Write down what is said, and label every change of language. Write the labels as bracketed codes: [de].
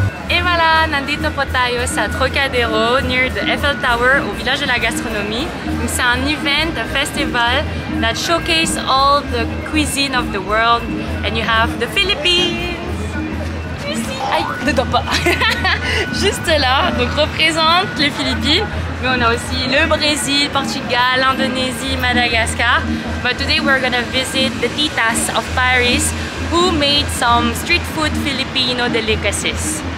[fr] Et voilà, [tl] nandito po tayo sa [fr] Trocadéro, [en] near the Eiffel Tower, [fr] au village de la gastronomie. C'est un [en] event, a festival, that showcases all the cuisine of the world, and you have the Philippines! [fr] Aïe, ne dors pas. Juste là, donc représente les Philippines, mais on a aussi le Brésil, Portugal, Indonésie, Madagascar. [en] But today we're gonna visit the titas of Paris who made some street food Filipino delicacies.